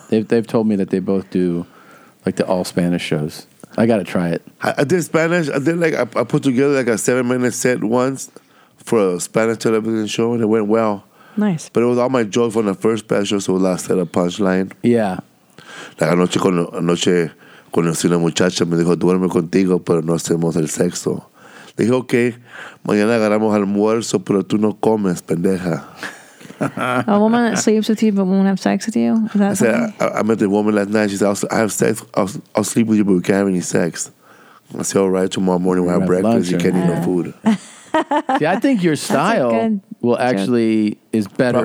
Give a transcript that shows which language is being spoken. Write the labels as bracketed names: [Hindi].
[English] They've told me that they both do like the all Spanish shows. I got to try it. I did Spanish. I did like, I put together like a 7-minute set once for a Spanish television show and it went well. Nice. But it was all my jokes from the first special, so it lasted a punchline. Yeah. [Spanish] Like, anoche conocí una muchacha, me dijo, duerme contigo, pero no hacemos el sexo. Le dije, okay, mañana agarramos almuerzo, pero tú no comes, pendeja. [English] A woman that sleeps with you, but won't have sex with you? Is that I said, I met the woman last night, she said, I'll sleep with you, but we can't have any sex. I said, all right, tomorrow morning we'll have breakfast, lunch, you can't eat no food. See, I think your style will actually is better